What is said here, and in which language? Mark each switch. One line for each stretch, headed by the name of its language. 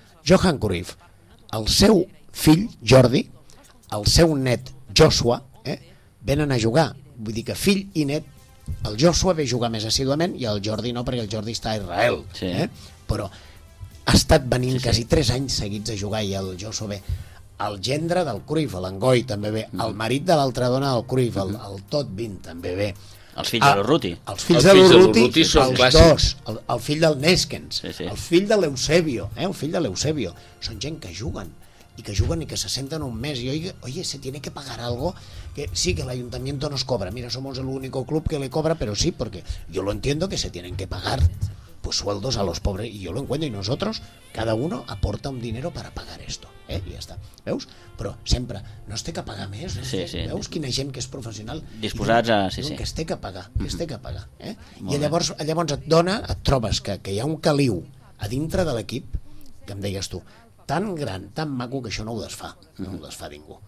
Catalan: Johan Cruyff, el seu fill Jordi, el seu net Joshua, venen a jugar, vull dir que fill i net, el Joshua ve a jugar més assíduament i el Jordi no, perquè el Jordi està a Israel, sí, però ha estat venint, sí, sí, quasi 3 anys seguits a jugar, i el Joshua ve. El gendre del Cruyff, l'Angoy, també ve. El marit de l'altra dona del Cruyff, el Todvin, també ve. Els fills de l'Urruti. Els fills de l'Urruti, els dos. El fill del Neskens, sí, sí. El fill de l'Eusebio. El fill de l'Eusebio. Són gent que juguen, i que juguen i que se senten un mes. I
Spanish: oye, se tiene que pagar algo. Que sí, que l'Ajuntamiento nos cobra. Mira, somos el único club que le cobra, pero sí, porque yo lo entiendo que se tienen que pagar pues sueldos a los pobres, y yo lo encuentro, y nosotros, cada uno aporta un dinero para pagar esto.
Catalan: I ja està, veus? Però sempre no es té que pagar més, sí, sí. Veus quina gent que és professional disposats a... Sí, sí. Que es té que pagar, que es té que pagar, I llavors et dona, et trobes que hi ha un caliu a dintre de l'equip, que em deies tu, tan gran, tan maco, que això no ho desfà, no ho desfà ningú.